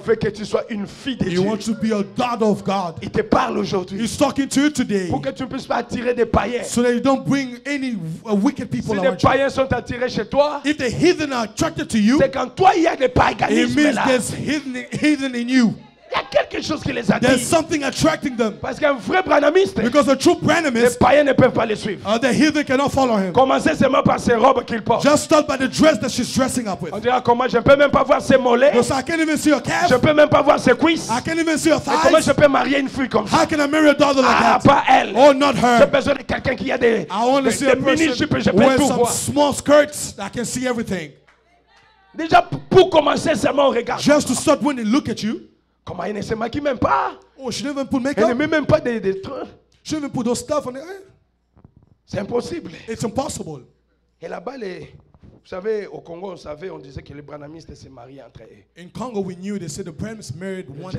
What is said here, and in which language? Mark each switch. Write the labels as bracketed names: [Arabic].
[French] Il veut que tu sois une fille de [English] He [French] Dieu. [English] He wants to be a daughter of God. [French] Il te parle aujourd'hui. [English] He's talking to you today. [French] Pour que tu ne puisses pas attirer des païens. [English] So that you don't bring any wicked people around you. [French] Si les païens sont attirés chez toi, [English] if the heathen are attracted to you, [French] c'est quand toi il y a des paganismes là. [English] It means there's heathen in you. [French] Il y a quelque chose qui les attire. [English] There's something attracting them. [French] Parce qu'un vrai branhamiste. [English] Because a true branhamist. [French] Les païens ne peuvent pas les suivre. [English] The heathen cannot follow him. [French] Commencez seulement par ses robes qu'il porte. [English] Just start by the dress that she's dressing up with. [French] On dira comment je peux même pas voir ses mollets. [English] Because I can't even see her calves. [French] Je peux même pas voir ses cuisses. [English] I can't even see her thighs. [French] Et comment je peux marier une fille comme ça? [English] How can I marry a daughter like that? [French] Ah, pas elle. [English] Oh, not her. [French] J'ai besoin de quelqu'un qui a des mini jupes. Je peux tout voir. [English] Small skirts. I can see everything. [French] Déjà pour commencer seulement regarde. [English] Just to start when they look at you. [French] Comment elle ne se maquille même pas? [English] Oh, she didn't even put makeup. [French] Elle ne met même pas des trucs. [English] She didn't put those stuff on. [French] C'est impossible. [English] It's impossible. [French] Et là-bas, les, vous savez, au Congo, on savait, on disait que les branhamistes se mariaient entre eux. [English] In Congo, we knew they said the branhamists married one another.